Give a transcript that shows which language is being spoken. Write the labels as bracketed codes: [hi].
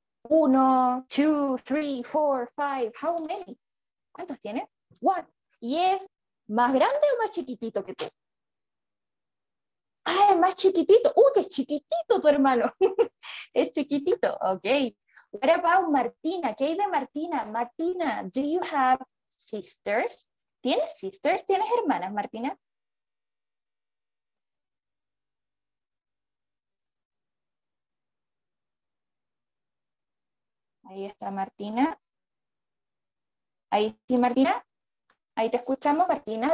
[es] Uno, [en] two, three, four, five. How many? [es] ¿Cuántos tienes? [en] One. [es] ¿Y es más grande o más chiquitito que tú? Ah, es más chiquitito. ¡Qué chiquitito tu hermano! Es chiquitito. Ok. [en] What about Martina? [es] ¿Qué hay de Martina? [en] Martina, do you have sisters? [es] ¿Tienes sisters? ¿Tienes hermanas, Martina? Ahí está Martina. Ahí sí, Martina. Ahí te escuchamos, Martina.